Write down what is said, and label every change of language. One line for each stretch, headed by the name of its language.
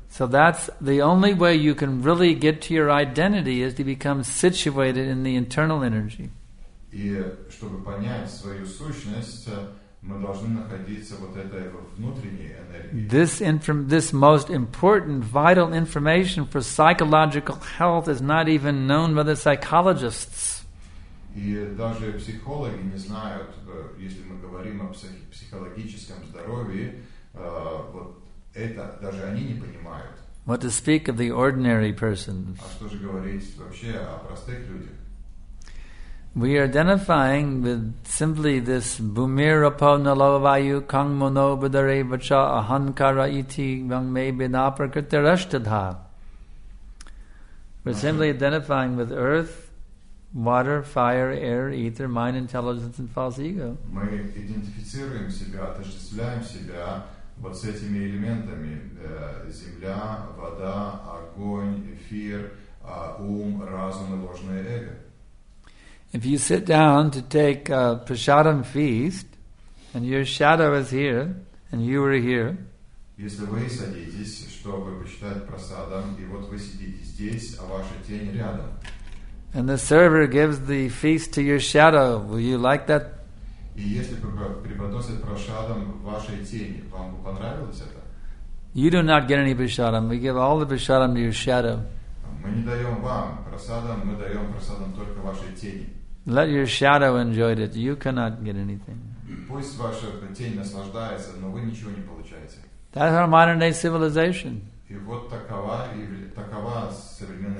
English: So that's the only way you can really get to your identity is to become situated in the internal energy.
Russian: И чтобы понять свою сущность, мы должны находиться вот этой внутренней энергии.
English: This most important vital information for psychological health is not even known by the psychologists.
Russian: И даже психологи не знают, если мы говорим о психологическом здоровье, вот это даже они не понимают.
English: What to speak of the ordinary persons?
Russian: А что же говорить вообще о простых людях?
English: We are identifying with simply this
Sanskrit: Bhumirapo Nalavayu Kang Mono Buddhare Vacha Ahankara Iti Vang Me Binaprakriti Rashtadha.
English: We're simply identifying with earth, water, fire, air, ether, mind, intelligence, and false ego.
Russian: Мы идентифицируем себя, отождествляем себя вот с этими элементами, земля, вода, огонь, эфир, ум, разум и ложное эго.
English: If you sit down to take a prasadam feast, and your shadow is here, and you are here,
Russian: если вы садитесь, чтобы почитать просадам, и вот вы сидите здесь, а ваша тень рядом.
English: And the server gives the feast to your shadow. Will you like that?
Russian: И если преподносит просадам вашей тени, вам бы понравилось это?
English: You do not get any prasadam. We give all the prasadam to your shadow.
Russian: Мы не даем вам просадам, мы даем просадам только вашей тени.
English: Let your shadow enjoy it. You cannot get anything.
Russian: Пусть ваша тень наслаждается, но вы ничего не получаете.
English: That's our modern day civilization.
Russian: И вот такова современная.